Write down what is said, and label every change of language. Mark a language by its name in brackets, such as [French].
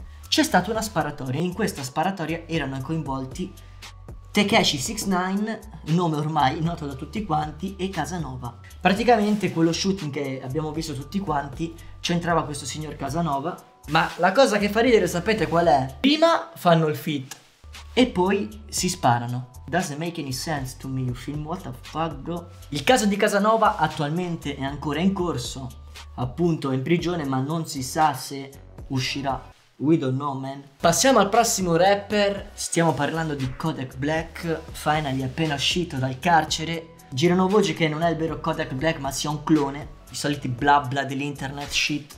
[Italian] C'è stata una sparatoria e in questa sparatoria erano coinvolti Tekashi 6ix9ine, nome ormai noto da tutti quanti, e Casanova. Praticamente quello shooting che abbiamo visto tutti quanti c'entrava questo signor Casanova. Ma la cosa che fa ridere, sapete qual è? Prima fanno il feat, e poi si sparano. [English] Doesn't make any sense to me, you film, what the fuck, bro? [Italian] Il caso di Casanova attualmente è ancora in corso, appunto in prigione, ma non si sa se uscirà. [English] We don't know, man. [Italian] Passiamo al prossimo rapper. Stiamo parlando di Kodak Black, finally appena uscito dal carcere. Girano voci che non è il vero Kodak Black, ma sia un clone. I soliti bla bla dell'internet shit.